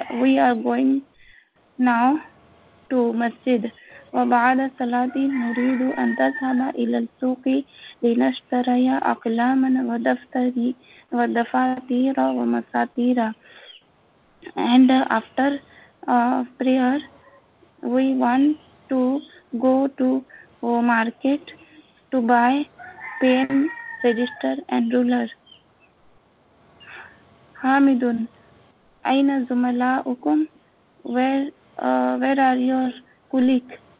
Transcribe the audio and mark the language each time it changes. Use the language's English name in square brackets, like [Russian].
[English] We are going now to مسجد. [Arabic] وبعد صلاة نريد أن تذهب إلى السوق لنشتري أقلاما ودفاتير ومساتير. [English] And after prayer we want to go to market to buy pen, register and ruler. [Arabic] Hamidun aina zumala'ukum? [English] Where are your colleagues?